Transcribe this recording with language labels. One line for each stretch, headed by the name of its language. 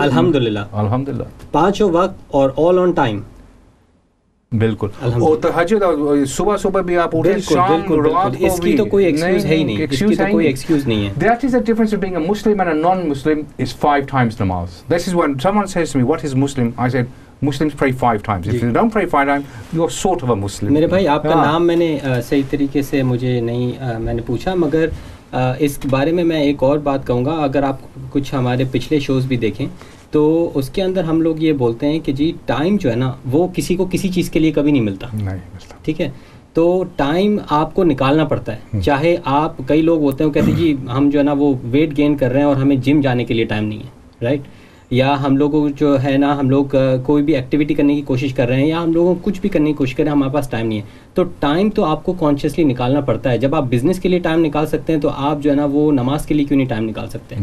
Hindi: अल्हम्दुलिल्लाह पांचों वक्त और
English: all on time
Hindi: बिल्कुल तहज्जुद सुबह सुबह भी आप उठे इसकी तो कोई एक्सक्यूज है ही नहीं
English: That is the difference between a Muslim and a non Muslim is five times namaz this is when someone says to me what is Muslim I said Muslims pray five times. If you don't pray five times, you're sort of a Muslim.
Hindi: मेरे भाई आपका नाम मैंने सही तरीके से मुझे नहीं मैंने पूछा मगर इस बारे में मैं एक और बात कहूँगा अगर आप कुछ हमारे पिछले शोज भी देखें तो उसके अंदर हम लोग ये बोलते हैं कि जी टाइम जो है ना वो किसी को किसी चीज़ के लिए कभी नहीं मिलता ठीक है तो टाइम आपको निकालना पड़ता है चाहे आप कई लोग होते हैं कहते जी हम जो है ना वो वेट गेन कर रहे हैं और हमें जिम जाने के लिए टाइम नहीं है राइट या हम लोगों जो है ना हम लोग कोई भी एक्टिविटी करने की कोशिश कर रहे हैं या हम लोगों को कुछ भी करने की कोशिश कर रहे हैं हमारे पास टाइम नहीं है तो टाइम तो आपको कॉन्शियसली निकालना पड़ता है जब आप बिजनेस के लिए टाइम निकाल सकते हैं तो आप जो है ना वो नमाज के लिए क्यों नहीं टाइम निकाल सकते